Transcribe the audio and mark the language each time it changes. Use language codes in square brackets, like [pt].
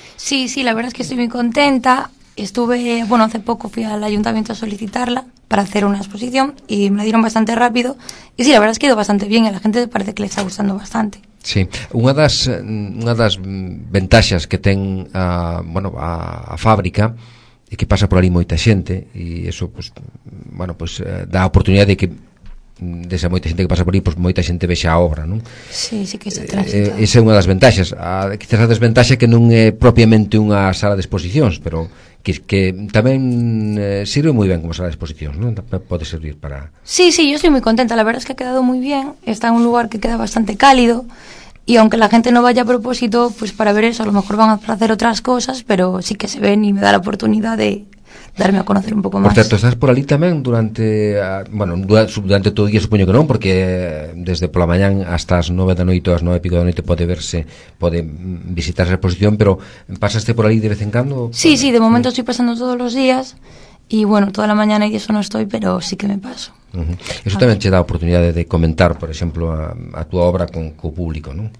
[es] Sí, sí, la verdad es que estoy muy contenta. Estuve, bueno, hace poco fui al ayuntamiento a solicitarla para hacer una exposición y me la dieron bastante rápido. Y sí, la verdad es que ha ido bastante bien y a la gente parece que le está gustando bastante. [gl] Sí, unha das ventaxas que ten a fábrica é que pasa por ali moita xente e eso, pues, dá a oportunidade de que desa moita xente que pasa por aí, pois moita xente vexa a obra, non? Sí, sí que se transita. Esa é unha das ventaxas. Quizás a desventaxa é que non é propiamente unha sala de exposicións, pero que tamén sirve moi ben como sala de exposicións, non? Pode servir para... [es] Sí, sí, yo estoy [gl] moi contenta. [es] La verdad es que ha quedado [gl] moi bien. [es] Está en un lugar que queda bastante cálido e aunque la gente non vaya a propósito, pues para ver eso, a lo mejor van a [gl] facer outras cosas, [es] pero sí que se ven [gl] e me dá a oportunidade [es] de... darme a conocer [gl] un pouco máis. Por certo, estás por ali tamén durante durante todo o día, supoño que non, porque desde pola mañán hasta as 9 da noite ou as 9 e pico da noite pode verse, pode visitar a exposición, pero pasaste por ali de vez en cando? [es] Sí, sí, de momento estoy pasando [gl] todos os días [es] e bueno, toda a mañana [gl] e iso non estoy, [es] pero sí que me paso. [gl] Eso tamén che dá a oportunidade de comentar, por exemplo, a túa obra con o público, non?